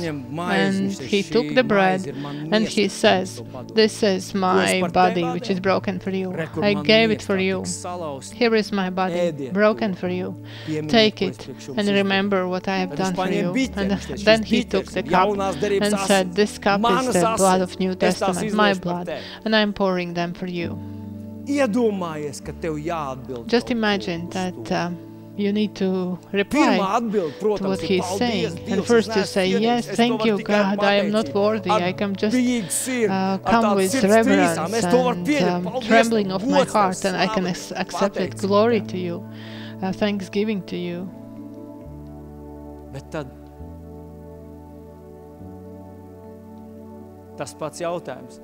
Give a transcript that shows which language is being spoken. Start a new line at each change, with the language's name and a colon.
English: And he took the bread and he says, this is my body which is broken for you. I gave it for you. Here is my body broken for you. Take it and remember what I have done for you. And then he took the cup and said, this cup is the blood of New Testament, my blood, and I am pouring them for you.
Latvian: Iedomājies, ka tev jāatbild.
English: Just imagine that you need to reply to what he's saying. And first you say, yes, thank you, God, I am not worthy. I can just come with reverence and trembling of my heart, and I can accept it. Glory to you, thanksgiving to you.
Latvian: Bet tad tas pats jautājums.